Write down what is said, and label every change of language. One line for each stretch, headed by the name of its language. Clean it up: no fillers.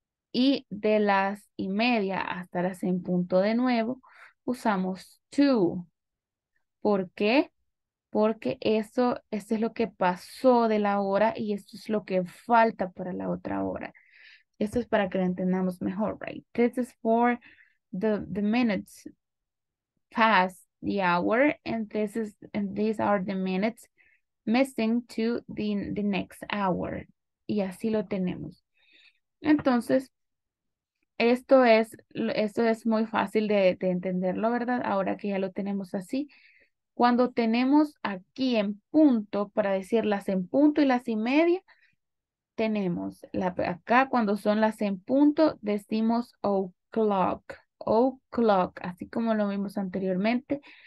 Spanish: Y de las 1:30 hasta las en punto de nuevo, usamos to. ¿Por qué? Porque eso es lo que pasó de la hora y esto es lo que falta para la otra hora. Esto es para que lo entendamos mejor, right?
English: This is for the minutes past the hour, and these are the minutes missing to the next hour.
Spanish: Y así lo tenemos. Entonces, esto es muy fácil de entenderlo, ¿verdad? Ahora que ya lo tenemos así. Cuando tenemos aquí en punto, para decir las en punto y las 1:30, tenemos acá cuando son las en punto, decimos o'clock, o'clock, así como lo vimos anteriormente.